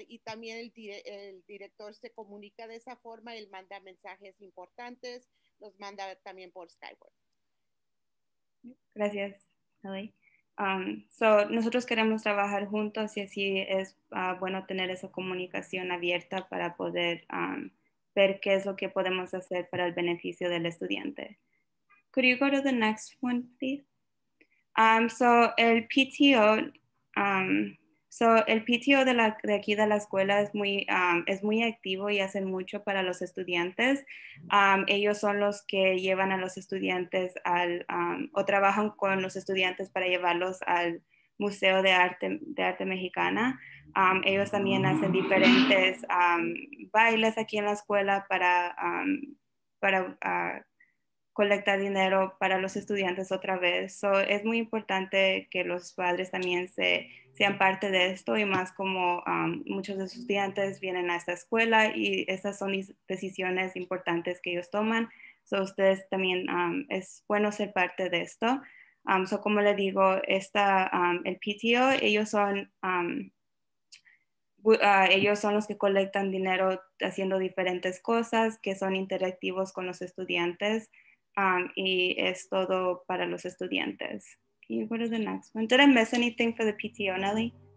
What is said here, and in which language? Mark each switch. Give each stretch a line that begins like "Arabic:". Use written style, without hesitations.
Spanish: Y también el director se comunica de esa forma, él manda mensajes importantes, los manda también por Skyward. Gracias, Ellie. Nosotros queremos trabajar juntos y así es bueno tener esa comunicación abierta para poder ver qué es lo que podemos hacer para el beneficio del estudiante.
English: Could you go to the next one, please?
Spanish: El PTO, el PTO de aquí de la escuela es muy activo y hacen mucho para los estudiantes. Ellos son los que llevan a los estudiantes o trabajan con los estudiantes para llevarlos al Museo de Arte Mexicana. Ellos también hacen diferentes bailes aquí en la escuela para colectar dinero para los estudiantes otra vez. So, es muy importante que los padres también sean parte de esto y más como muchos de sus estudiantes vienen a esta escuela y estas son decisiones importantes que ellos toman. So, ustedes también es bueno ser parte de esto. Como le digo, el PTO, ellos son los que colectan dinero haciendo diferentes cosas que son interactivos con los estudiantes. Y es todo para los estudiantes.
English: Okay, what is the next one? Did I miss anything for the PTO, Nelly?